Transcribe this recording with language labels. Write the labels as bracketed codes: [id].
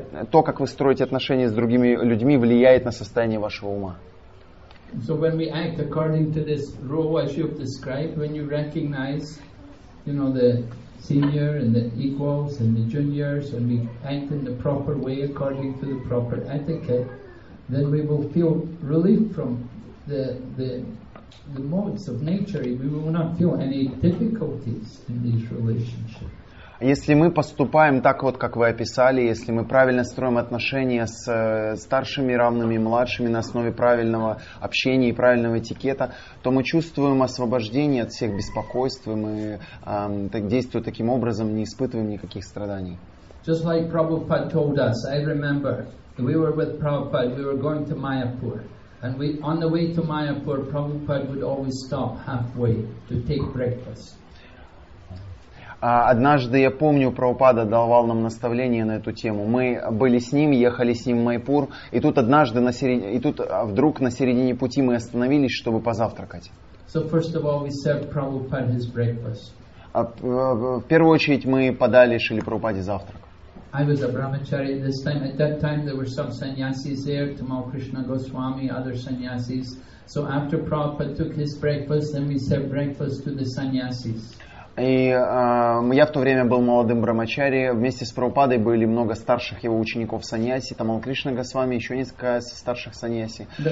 [ru] То, как вы строите отношения с другими людьми, влияет на состояние вашего ума. [en] So when we act according to this role as you've described, when you recognize, you know, the senior and the equals and the juniors, and we act in the proper way according to the proper etiquette, then we will feel relief from the modes of nature, we will not feel any difficulties in these relationships. [ru] Если мы поступаем так вот, как вы описали, если мы правильно строим отношения с старшими, равными, младшими на основе правильного общения и правильного этикета, то мы чувствуем освобождение от всех беспокойств, и мы действуя таким образом, не испытываем никаких страданий. [en] Just like Prabhupada told us, I remember, we were with Prabhupada, we were going to Mayapur. And we on the way to Mayapur, Prabhupada would always stop halfway to take breakfast. [ru] Однажды я помню, Прабхупада давал нам наставление на эту тему. Мы были с ним, ехали с ним в Майпур, и тут однажды на середине пути мы остановились, чтобы позавтракать. [en] So first of all, we served Prabhupada his breakfast. [ru] В первую очередь мы подали Шриле Прабхупаде завтрак. [en] I was a brahmachari at this time. At that time, there were some sannyasis there, Tamal Krishna Goswami, other sannyasis. So after Prabhupada took his breakfast, then we served breakfast to the sannyasis. [ru] И я в то время был молодым брамачари. Вместе с Прабхупадой были много старших его учеников саньяси. Тамал Кришна Госвами, еще несколько старших саньяси.